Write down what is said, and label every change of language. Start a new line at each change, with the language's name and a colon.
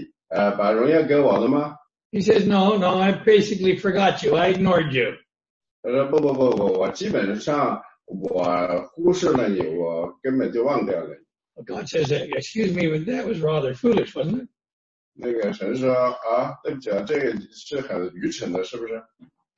Chinese: 站在神面前，神说：“你把荣耀给我了吗？”
English: He says, "No, no, I basically forgot you. I ignored you."
Chinese: 他说：“不，我基本上我忽视了你，我根本就忘掉了你。”
English: God says, "Excuse me, but that was rather foolish, wasn't it?"
Chinese: 那个神说：“啊，对不起，这个是很愚蠢的，是不是？”